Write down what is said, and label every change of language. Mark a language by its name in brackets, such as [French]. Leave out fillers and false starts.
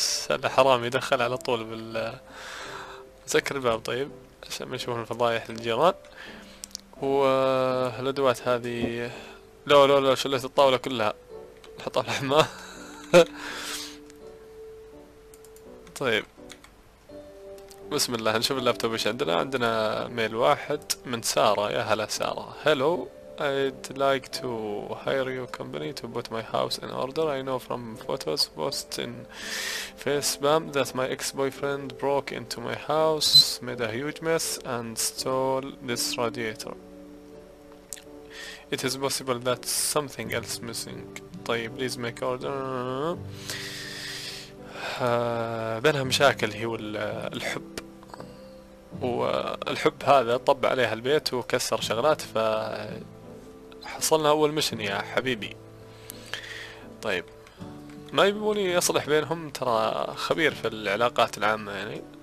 [Arabic] هذا حرام يدخل على طول بال، سكر الباب طيب عشان ما يشوفون الفضايح للجيران. والأدوات هذه، لا لا لا، شلت الطاولة كلها، نحطها في الحمام. طيب بسم الله، نشوف اللابتوب ايش عندنا. عندنا ميل واحد من سارة. يا هلا سارة. هلو، [English] I'd like to hire your company to put my house in order. I know from photos posted in Facebook that my ex-boyfriend broke into my house, made a huge mess, and stole this radiator. It is possible that something else missing. طيب please make order. [Arabic] بينها مشاكل، هي الحب، والحب هذا طب عليها البيت وكسر شغلات. ف حصلنا أول مشن يا حبيبي. طيب ما يبوني أصلح بينهم، ترى خبير في العلاقات العامة يعني.